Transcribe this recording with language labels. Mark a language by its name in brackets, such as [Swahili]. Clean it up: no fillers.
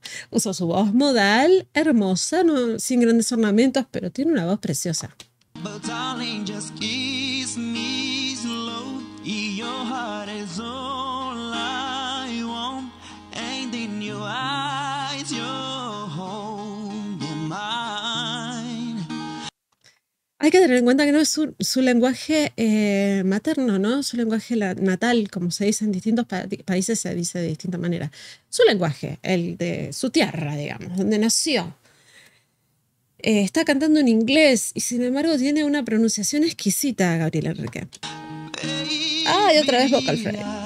[Spanish] Usó su voz modal, hermosa, no, sin grandes ornamentos, pero tiene una voz preciosa. [English] But darling, just kiss me slow, your heart is all I want, and in your eyes, your home and mine. [Spanish] Hay que tener en cuenta que no es su lenguaje materno, ¿no? Su lenguaje natal, como se dice en distintos países, se dice de distinta manera. Su lenguaje, el de su tierra, digamos, donde nació. Está cantando en inglés y sin embargo tiene una pronunciación exquisita, Gabriel Enrique. ¡Ah! Y otra vez vocal fry.